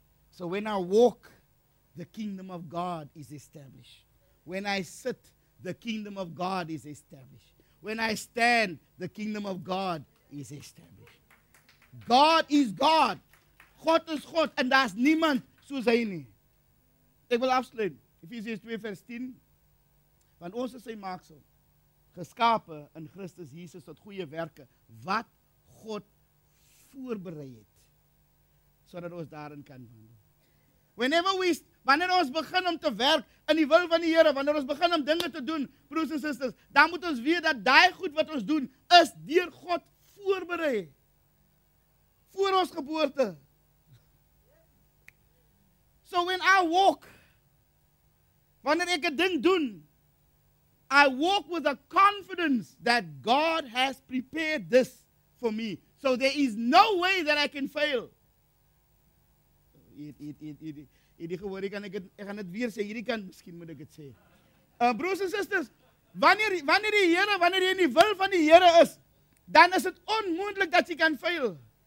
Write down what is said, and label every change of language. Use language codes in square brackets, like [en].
[en] So when I walk, the kingdom of God is established. When I sit, the kingdom of God is established. When I stand, the kingdom of God is established. God is God. [af] God is God en daar is niemand soos hy nie. Ek wil afsluit. Efesiërs 2 vers 10. Want ons is sy maaksel, geskape in Christus Jesus tot goeie werke, wat God voorberei het, sodat ons daarin kan wandel. Wanneer ons begin om te werk in die wil van die Here, wanneer ons begin om dinge te doen, broers en susters, dan moet ons weet dat daai goed wat ons doen, is deur God voorberei. Voor ons geboorte. [en] So when I walk, [af] wanneer ek 'n ding doen, [en] I walk with a confidence that God has prepared this for me. So there is no way that I can fail. [af] Broers en susters, wanneer die Here, wanneer jy in die wil van die Here is, dan is het onmoontlik dat jy kan fail.